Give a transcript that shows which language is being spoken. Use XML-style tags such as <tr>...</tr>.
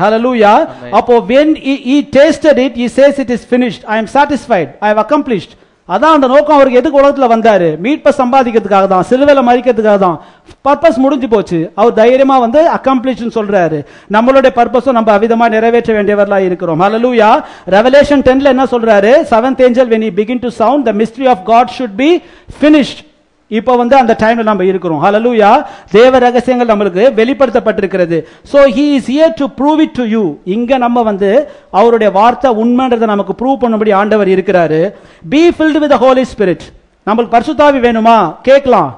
<ta>ஹல்லேலூயா. அப்போ</ta> <en>when he tasted it, he says it is finished. I am satisfied. I have accomplished.</en> <ta>அதான் அந்த நோக்கம். அவருக்கு எதுக்கு உலகத்துல வந்தாரு? மீட்பை சம்பாதிக்கிறதுக்காக தான், சிலுவையில மறிக்கிறதுக்காக தான். பர்பஸ் முடிஞ்சு போச்சு. அவர் தைரியமா வந்து அக்கம்ப்ளிஷ் சொல்றாரு. நம்மளுடைய பர்பஸும் நம்ம அவிதமா நிறைவேற்ற வேண்டியவர்களா இருக்கிறோம். ஹல்லேலூயா. ரெவலேஷன் 10 என்ன சொல்றாரு?</ta> <en>7th angel, when he begin to sound, the mystery of God should be finished.</en> <ta>இப்ப வந்து அந்த டைம்ல நம்ம இருக்கிறோம். ஹல்லேலூயா. தேவ ரகசியங்கள் நம்மளுக்கு வெளிப்படுத்தப்பட்டிருக்கிறது.</ta> <en>So he is here to prove it to you.</en> <ta>இங்க நம்ம வந்து அவருடைய வார்த்தை உண்மைன்றதை நமக்கு ப்ரூவ் பண்ணும்படி ஆண்டவர் இருக்கிறாரு.</ta> <en>Be filled with holy spirit.</en> <ta>நம்மளுக்கு பரிசுத்தாவி வேணுமா? கேட்கலாம்.</ta>